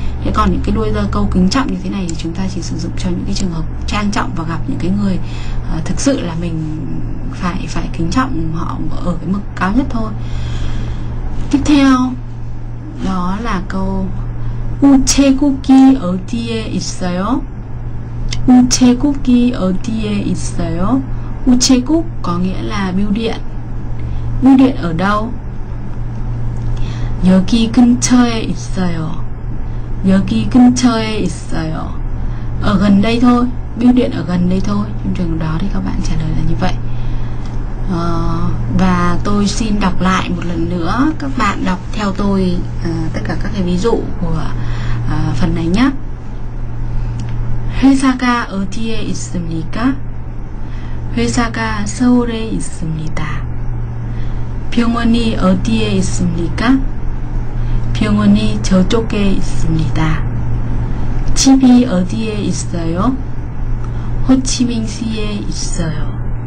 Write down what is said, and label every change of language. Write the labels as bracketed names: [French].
[Vietnamese] Thế còn những cái đuôi câu kính trọng như thế này thì chúng ta chỉ sử dụng cho những cái trường hợp trang trọng và gặp những cái người thực sự là mình phải kính trọng họ ở cái mức cao nhất thôi. Tiếp theo đó là câu [Korean] 우체국이 어디에 있어요? 우체국이 어디에 있어요? [Vietnamese] 우체국 có nghĩa là bưu điện. Bưu điện ở đâu? [Korean] 여기 근처에 있어요. 여기 근처에 있어요. [Vietnamese] Ở gần đây thôi. Bưu điện ở gần đây thôi. Trong trường đó thì các bạn trả lời là như vậy. Và tôi xin đọc lại một lần nữa. Các bạn đọc theo tôi tất cả các cái ví dụ của phần này nhé. [Korean] 회사가 어디에 있습니까? 회사가 서울에 있습니다. 병원이 어디에 있습니까? 병원이 저쪽에 있습니다. 집이 어디에 있어요? 호치민시에 있어요.